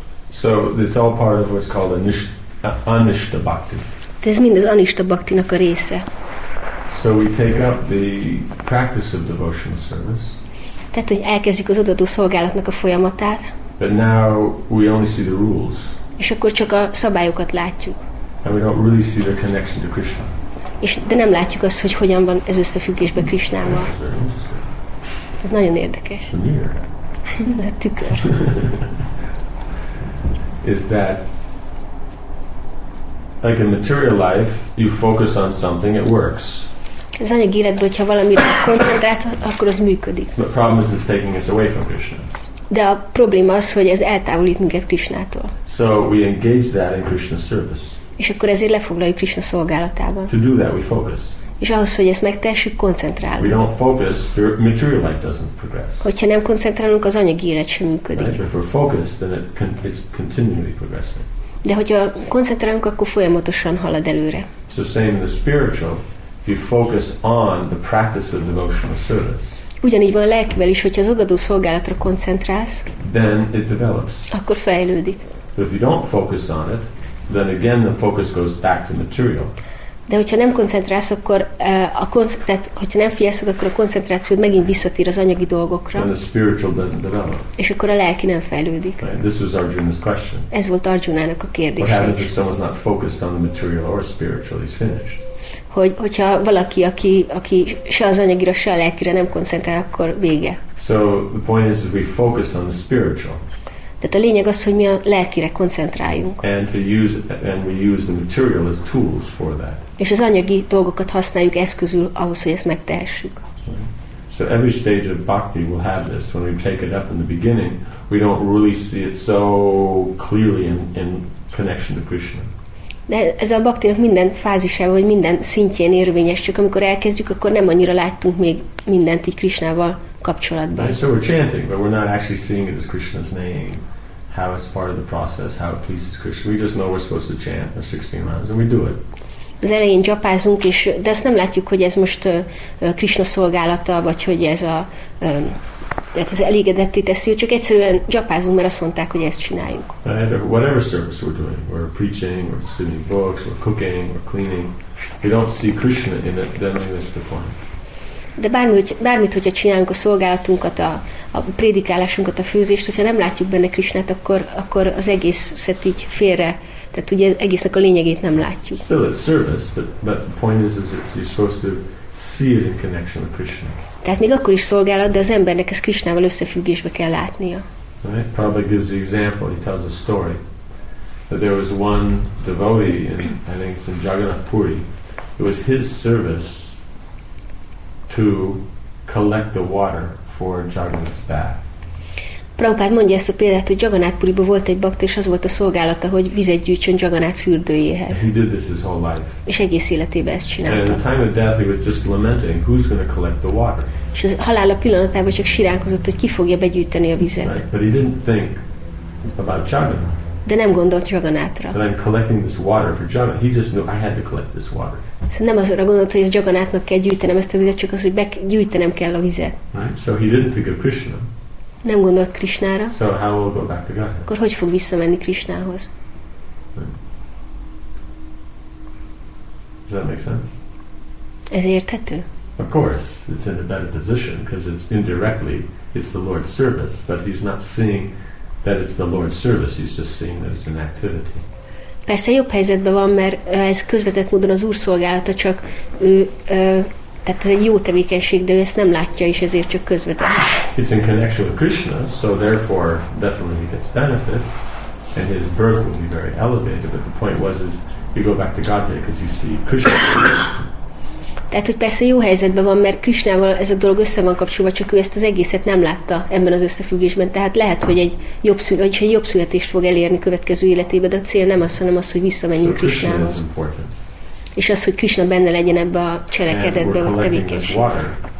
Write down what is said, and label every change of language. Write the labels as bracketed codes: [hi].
[en] So it's all part of what's called anishta bhakti. [hu] Ez mind az anishta bhaktinak a része. [en] So we take up the practice of devotional service. [hu] Tehát, hogy elkezdjük az odaadó szolgálatnak a folyamatát. [en] But now we only see the rules. [hu] És akkor csak a szabályokat látjuk. [en] And we don't really see the connection to Krishna. [hu] És de nem látjuk azt, hogy hogyan van ez összefüggésbe Krishnával. Ez nagyon érdekes. Ez a tükör. [en] Is that like in material life, you focus on something, it works. [hu] Az anyagi életben, hogyha valamire koncentrált, akkor az működik. [en] The problem is it's taking us away from Krishna. [hu] De a probléma az, hogy ez eltávolít minket Krishnától. [en] So we engage that in Krishna service. [hu] És akkor ezért lefoglaljuk Krishna szolgálatában. [en] To do that we focus. [hu] És ahhoz, hogy ezt megtessük, koncentrálunk. [en] We don't focus, material life doesn't progress. [hu] Hogyha nem koncentrálunk, az anyagi élet sem működik. [en] Right? If we're focused, then it's continually progressing. [hu] De hogyha koncentrálunk, akkor folyamatosan halad előre. [en] So same in the spiritual. If you focus on the practice of devotional service. [hu] Ugyanígy van a lelkivel is, hogyha az odaadó szolgálatra koncentrálsz. [en] Then it develops. [hu] Akkor fejlődik. [en] But if you don't focus on it, then again the focus goes back to material. [hu] De hogyha nem koncentrálsz, akkor hogyha nem figyelsz, akkor a koncentrációd megint visszatér az anyagi dolgokra. [en] Then the spiritual doesn't develop. [hu] És akkor a lelki nem fejlődik. [en] Right. This was Arjuna's question. [hu] Ez volt Arjunának a kérdése. [en] What happens if someone's not focused on the material or spiritual, he's finished. [hu] Hogyha valaki, aki se az anyagira, se a lelkire nem koncentrál, akkor vége. [en] So the point is we focus on the spiritual. [hu] Tehát a lényeg az, hogy mi a lelkire koncentráljunk. [en] And we use the material as tools for that. [hu] És az anyagi dolgokat használjuk eszközül ahhoz, hogy ezt megtehessük. [en] So every stage of bhakti will have this. When we take it up in the beginning, we don't really see it so clearly in connection to Krishna. [hu] De ez a baktinak minden fázisában, vagy minden szintjén érvényes, csak amikor elkezdjük, akkor nem annyira láttunk még mindent így Krishnával kapcsolatban. [en] So we're chanting, but we're not actually seeing it as Krishna's name, how it's part of the process, how it pleases Krishna. We just know we're supposed to chant for 16 rounds, and we do it. [hu] Az elején japázunk, és de azt nem látjuk, hogy ez most Krishna szolgálata, vagy hogy ez a tehát az elégedetté teszi, csak egyszerűen japázunk, mert azt mondták, hogy ezt csináljuk. [en] Whatever service we're doing, we're preaching, we're sitting books, we're cooking, we're cleaning, we don't see Krishna in it, then we miss the point. [hu] De bármit, hogyha csinálunk a szolgálatunkat, a prédikálásunkat, a főzést, hogyha nem látjuk benne Krishnát, akkor az egészet így félre, tehát ugye egésznek a lényegét nem látjuk. [en] Still it's service, but the point is you're supposed to see it in connection with Krishna. [hu] Tehát még akkor is szolgálat, de az embernek ez Krishnával összefüggésbe kell látnia. [en] Right? Prabhupada gives the example, he tells a story, that there was one devotee, in, I think it's in Jagannath Puri, it was his service to collect the water for Jagannath's bath. [hu] Prabhupád mondja ezt a példát, hogy Jagannath Puriban volt egy bakta, és az volt a szolgálata, hogy vizet gyűjtsön Jagannath fürdőjéhez. [en] He did this his whole life. [hu] És egész életében ezt csinálta. [en] At the time of death, he was just lamenting, who's going to collect the water? [hu] És a halála pillanatában csak siránkozott, hogy ki fogja begyűjteni a vizet. [en] Right. But he didn't think about Jagannath. [hu] De nem gondolt Jagannathra. [en] That I'm collecting this water for Jagannath. He just knew I had to collect this water. [hu] Szóval nem azra gondolt, hogy ezt Jagannathnak kell gyűjtenem ezt a vizet, csak az, hogy gyűjtenem kell a vizet. [en] Right. So he didn't think of Krishna. [hu] Nem gondolt Krishnára. [en] So how will go back to Godhead? [hu] Akkor hogy fog visszamenni Krishnához? [en] Does that make sense? [hu] Ez érthető? [en] Of course, it's in a better position because it's indirectly, it's the Lord's service, but he's not seeing that it's the Lord's service, he's just seeing that it's an activity. [hu] Persze jobb helyzetben van, mert ez közvetett módon az Úr szolgálata, csak ő tehát ez egy jó tevékenység, de ő ezt nem látja, és ezért csak közvetett. [en] It's in connection with Krishna, so therefore definitely he gets benefit, and his birth will be very elevated, but the point was is you go back to Godhead because you see Krishna. [hu] Tehát, hogy persze jó helyzetben van, mert Krishnával ez a dolog össze van kapcsolva, csak ő ezt az egészet nem látta ebben az összefüggésben. Tehát lehet, hogy egy jobb születést fog elérni következő életében, de a cél nem az, hanem az, hogy visszamenjünk Krishnához. És az, hogy Krishna benne legyen ebbe a cselekedetbe, a tevékenységben.